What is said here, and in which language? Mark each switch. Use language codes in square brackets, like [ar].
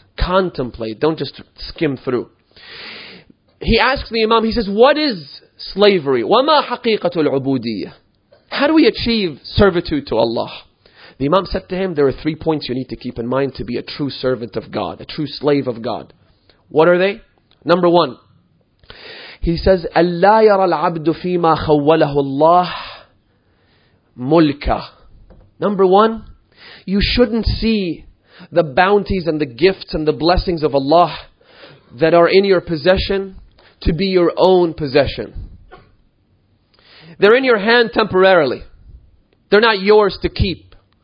[en] Contemplate, don't just skim through. He asks the Imam, he says, what is slavery? [ar] وَمَا حَقِيقَةُ الْعُبُودِيَّةِ [en] How do we achieve servitude to Allah? The Imam said to him, there are 3 points you need to keep in mind to be a true servant of God, a true slave of God. What are they? Number one, he says, [ar] أَلَّا يَرَى الْعَبْدُ فِي مَا خَوَّلَهُ اللَّهُ مُلْكًا. [en] Number one, you shouldn't see the bounties and the gifts and the blessings of Allah that are in your possession to be your own possession. They're in your hand temporarily. They're not yours to keep.